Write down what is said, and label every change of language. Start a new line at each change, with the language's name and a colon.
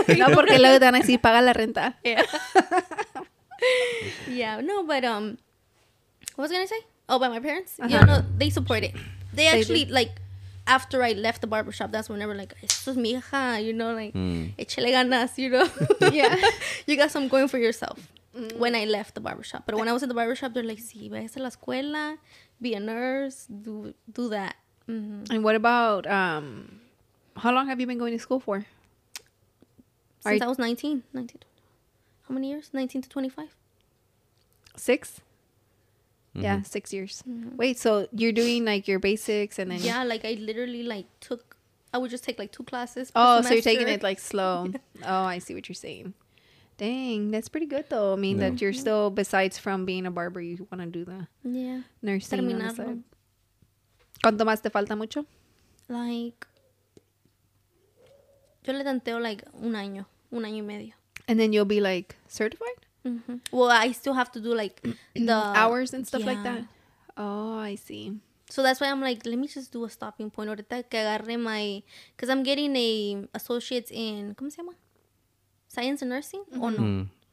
Spanish: No, porque luego te van a decir, paga la renta.
English: Yeah. Yeah, no, but what was I gonna say? Oh, by my parents. Uh-huh. Yeah, no, they support it. They actually do. Like, after I left the barbershop, that's whenever like,
Spanish: esto es mi hija,
English: you know, like,
Spanish: échale ganas,
English: you know. Yeah, you got some going for yourself. Mm. When I left the barbershop, but when I was in the barbershop, they're like,
Spanish: sí, vayas a la escuela,
English: be a nurse, do that. Mm-hmm. And what about how long have you been going to school for? Since I was 19. How many years? 19 to 25? Six? Mm-hmm. Yeah, 6 years. Mm-hmm. Wait, so you're doing like your basics and then... Yeah, like I literally like took... I would just take like two classes per semester. So you're taking it like slow. Oh, I see what you're saying. Dang, that's pretty good though. I mean, yeah. That you're still, besides from being a barber, you want to do the nursing.
Spanish: Terminado. ¿Cuánto más te falta mucho?
English: Like...
Spanish: Yo le tanteo
English: like
Spanish: un año y medio.
English: And then you'll be, like, certified? Mm-hmm. Well, I still have to do, like, the... hours and stuff like that? Oh, I see. So that's why I'm like, let me just do a stopping point.
Spanish: Ahorita que agarre
English: my... Because I'm getting a associate's in...
Spanish: ¿Cómo se llama?
English: Science and nursing? Mm-hmm. Or no? Mm.